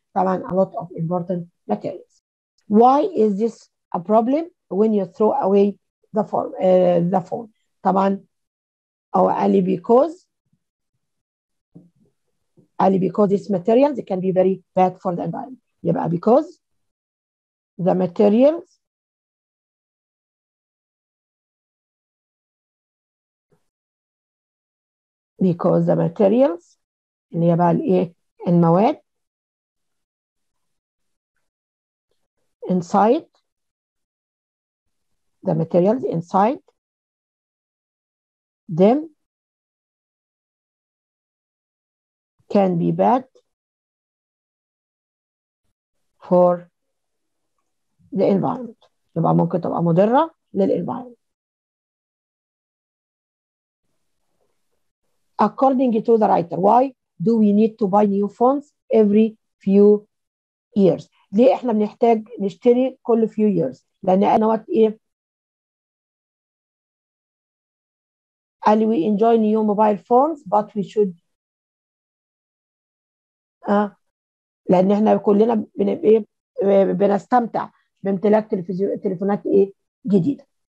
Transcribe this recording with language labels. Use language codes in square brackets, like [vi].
[en] طبعا a lot of important materials. Why is this a problem when you throw away the phone? [ar] طبعا أو علي [en] because these materials can be very bad for the environment. [ar] يبقى [en] because the materials [ar] اللي يبقى الايه المواد inside [en] the materials inside. Then can be bad for the environment. [ar] يبقى ممكن تبقى مضرة لل environment. [en] According to the writer, why do we need to buy new phones every few years? [ar] ليه احنا بنحتاج نشتري كل few years؟ لان انا وقت ايه؟ [en] And we enjoy new mobile phones, but we should [ar] لان احنا كلنا بنستمتع بامتلاك تليفونات ايه جديده.